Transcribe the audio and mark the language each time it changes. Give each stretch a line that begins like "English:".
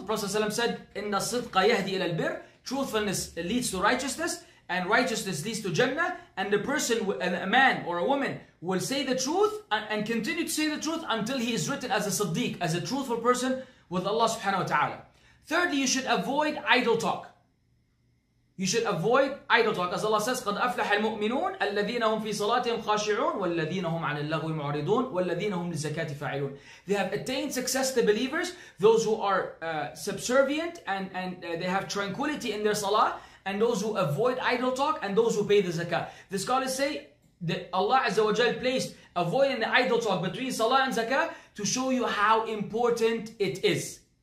English: The Prophet ﷺ said,
Arabic: "Inna sidqa yahdi ila al-bir."
English: Truthfulness leads to righteousness, and righteousness leads to Jannah, and the person, a man or a woman, will say the truth and continue to say the truth until he is written as a Siddiq, as a truthful person with Allah subhanahu wa ta'ala. Thirdly, you should avoid idle talk. You should avoid idol talk. As Allah says,
Arabic: قَدْ أَفْلَحَ الْمُؤْمِنُونَ الَّذِينَ هُمْ فِي صَلَاتِهِمْ خَاشِعُونَ وَالَّذِينَ هُمْ عَنِ اللَّغْوِ مُعْرِضُونَ وَالَّذِينَ هُمْ لِلزَّكَاةِ فَاعِلُونَ.
English: They have attained success, the believers, those who are subservient and they have tranquility in their salah, and those who avoid idol talk, and those who pay the zakah. The scholars say that Allah Azza wa Jal placed avoiding the idol talk between salah and zakah to show you how important it is.